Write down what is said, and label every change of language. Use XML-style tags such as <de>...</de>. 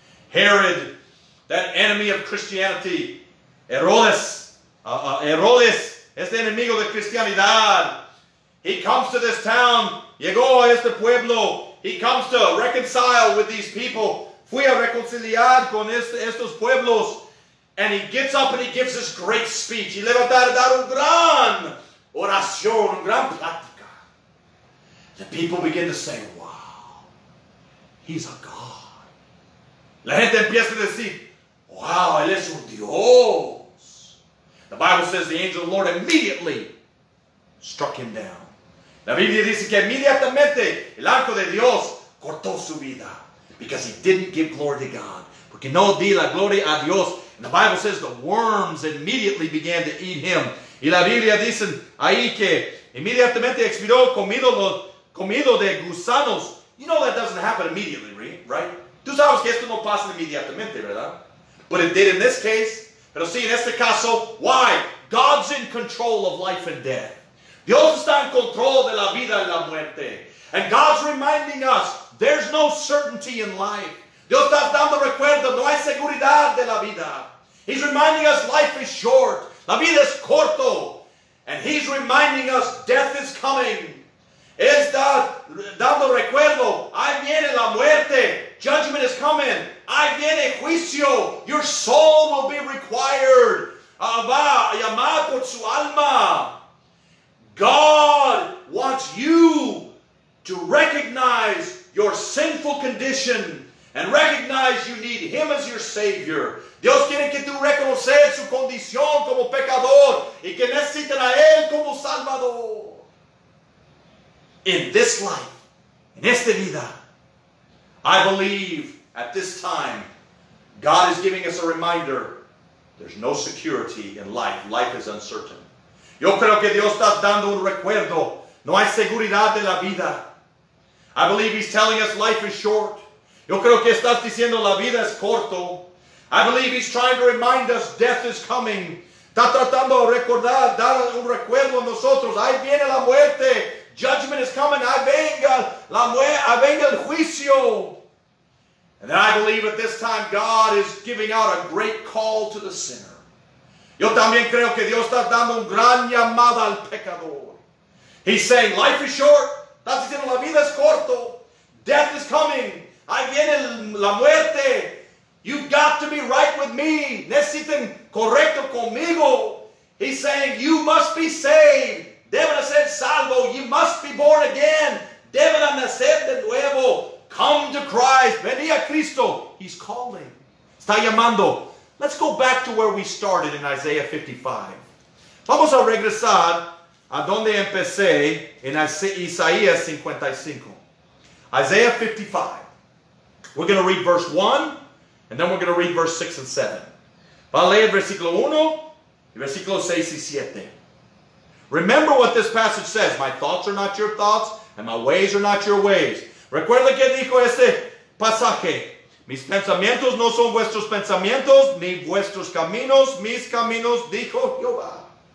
<en>Herod, that enemy of Christianity,</en> <es>Herodes, este enemigo de Cristianidad,</es> <en>he comes to this town,</en> <es>llegó a este pueblo,</es> <en>he comes to reconcile with these people,</en> <es>fui a reconciliar con estos pueblos.</es> <en>And he gets up and he gives this great speech.</en> <es>Y le va a dar un gran oración, un gran plática.</es> <en>The people begin to say, wow, he's a God.</en> <es>La gente empieza a decir, wow, él es un Dios.</es> <en>The Bible says the angel of the Lord immediately struck him down.</en> <es>La Biblia dice que inmediatamente el arco de Dios cortó su vida.</es> <en>Because he didn't give glory to God.</en> <es>Porque no di la gloria a Dios.</es> <en>The Bible says the worms immediately began to eat him.</en> <es>Y la Biblia dice ahí que inmediatamente expiró comido de gusanos.</es> <en>You know that doesn't happen immediately, right?</en> <es>Tú sabes que esto no pasa inmediatamente, ¿verdad?</es> <en>But it did in this case.</en> <es>Pero sí, en este caso,</es> <en>why? God's in control of life and death.</en> <es>Dios está en control de la vida y la muerte.</es> <en>And God's reminding us, there's no certainty in life.</en> <es>Dios está dando recuerdo, no hay seguridad de la vida.</es> <en>He's reminding us life is short.</en> <es>La vida es corto.</es> <en>And he's reminding us death is coming.</en> <es>Está dando recuerdo, ahí viene la muerte.</es> <en>Judgment is coming.</en> <es>Ahí viene juicio.</es> <en>Your soul will be required.</en> <es>Va a llamar por su alma.</es> <en>God wants you to recognize your sinful condition. And recognize you need him as your savior.</en> <es>Dios quiere que tú reconozcas su condición como pecador y que necesitas a él como salvador.</es> <en>In this life, in</en> <es>esta vida,</es> <en>I believe at this time, God is giving us a reminder, there's no security in life. Life is uncertain.</en> <es>Yo creo que Dios está dando un recuerdo. No hay seguridad de la vida.</es> <en>I believe he's telling us life is short.</en> <es>Yo creo que estás diciendo la vida es corto.</es> <en>I believe he's trying to remind us death is coming.</en> <es>Está tratando de recordar, dar un recuerdo a nosotros. Ahí viene la muerte.</es> <en>Judgment is coming.</en> <es>Ahí venga la muerte. Ahí venga el juicio.</es> <en>And then I believe at this time God is giving out a great call to the sinner.</en> <es>Yo también creo que Dios está dando un gran llamada al pecador.</es> <en>He's saying life is short.</en> <es>Estás diciendo la vida es corto.</es> <en>Death is coming. Ahí viene la muerte. You've got to be right with me.</en> <es>Necesitan correcto conmigo.</es> <en>He's saying, you must be saved.</en> <es>Deben ser salvo.</es> <en>You must be born again.</en> <es>Deben nacer de nuevo.</es> <en>Come to Christ.</en> <es>Vení a Cristo.</es> <en>He's calling.</en> <es>Está llamando.</es> <en>Let's go back to where we started in Isaiah 55.</en> <es>Vamos a regresar a donde empecé en Isaías 55.</es> <en>Isaiah 55. We're going to read verse 1, and then we're going to read verse 6 and 7.</en> <es>Va a leer versículo 1 y versículo 6 y 7.</es> <en>Remember what this passage says. My thoughts are not your thoughts, and my ways are not your ways.</en> <es>Recuerda que dijo este pasaje. Mis pensamientos no son vuestros pensamientos, ni vuestros caminos, mis caminos, dijo Jehová.</es>